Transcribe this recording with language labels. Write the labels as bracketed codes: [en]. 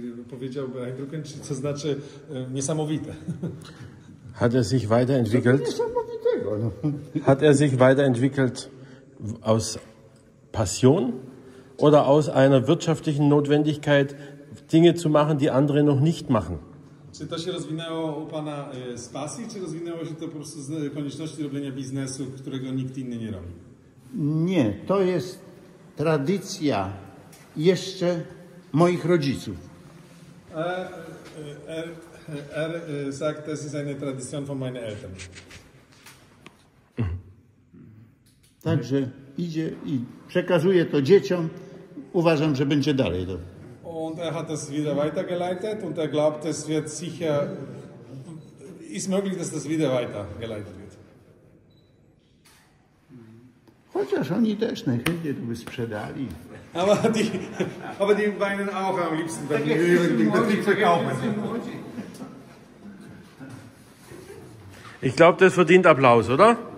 [pl] powiedziałbym eindrucken, co znaczy niesamowite. [de] Hat er sich weiterentwickelt? Hat er sich weiterentwickelt aus Passion oder aus einer wirtschaftlichen Notwendigkeit, Dinge zu machen, die andere noch nicht machen? [pl] Czy to się rozwinęło u pana z pasji, czy rozwinęło się to po prostu z konieczności robienia biznesu, którego nikt inny nie robi? Nie, to jest tradycja jeszcze moich rodziców. [de] Sagt, das ist eine Tradition von meinen Eltern. [pl] Także idzie i przekazuje to dzieciom. Uważam, że będzie dalej to. [de] Und er hat das wieder weitergeleitet und er glaubt, es wird sicher, ist möglich, dass das wieder weitergeleitet wird. [pl] Chociaż oni też najchętniej to by sprzedali. [de] Aber die weinen auch am liebsten, wenn die wirklich verkaufen. Ich glaube, das verdient Applaus, oder?